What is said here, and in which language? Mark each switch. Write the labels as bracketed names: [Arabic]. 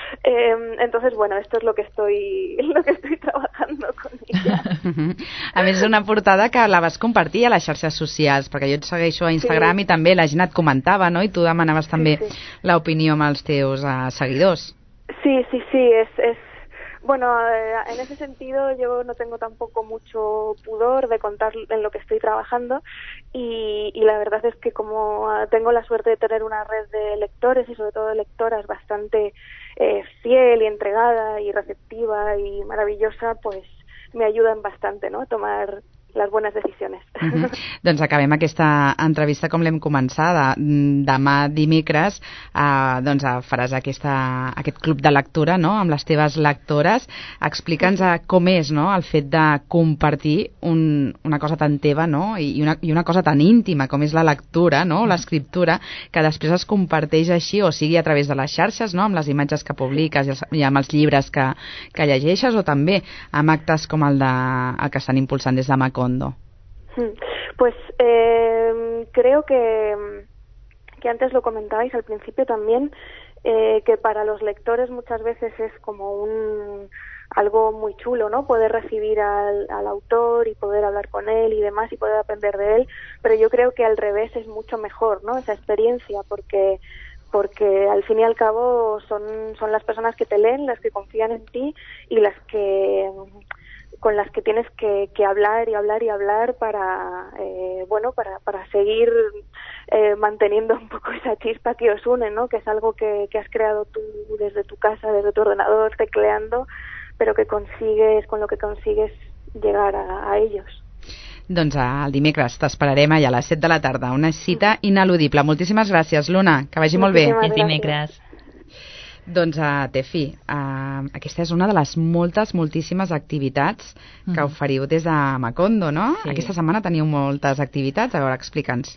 [Spanish] Entonces, bueno, esto es lo que estoy trabajando con ella. [Catalan] A mi és una portada que la vas compartir a les xarxes socials, perquè jo et segueixo a Instagram. Sí. I també la gent et comentava, no?, i tu demanaves també. Sí, sí. L'opinió amb els teus seguidors. [Spanish] Sí, sí, sí, és bueno, en ese sentido yo no tengo tampoco mucho pudor de contar en lo que estoy trabajando y la verdad es que como tengo la suerte de tener una red de lectores y sobre todo de lectoras bastante fiel y entregada y receptiva y maravillosa, pues me ayudan bastante, ¿no?, a tomar [Catalan] les bones decisions. Doncs acabem aquesta entrevista com l'hem començada. Demà dimecres faràs aquest club de lectura, no?, amb les teves lectores. Explica'ns com és, no?, el fet de compartir una cosa tan teva, no?, i una cosa tan íntima com és la lectura, no?, l'escriptura, que després es comparteix així, o sigui a través de les xarxes, no?, amb les imatges que publiques i amb els llibres que llegeixes, o també amb actes com el que estan impulsant des de Mac Condo. [Spanish] Pues creo que antes lo comentabais al principio también, que para los lectores muchas veces es como algo muy chulo, ¿no? Poder recibir al autor y poder hablar con él y demás y poder aprender de él, pero yo creo que al revés es mucho mejor, ¿no? Esa experiencia, porque al fin y al cabo son las personas que te leen, las que confían en ti y las que con las que tienes que hablar y hablar y hablar para seguir manteniendo un poco esa chispa que os une, ¿no? Que es algo que has creado tú desde tu casa, desde tu ordenador, tecleando, pero que consigues, con lo que consigues llegar a ellos. [Catalan] Doncs el dimecres t'esperarem allà a les 7 de la tarda, una cita ineludible. Moltíssimes gràcies, Luna, que vagi molt bé. Fins dimecres. Doncs, Tefi, aquesta és una de les moltíssimes activitats que oferiu des de Macondo, no? Sí. Aquesta setmana teniu moltes activitats, a veure, explica'ns.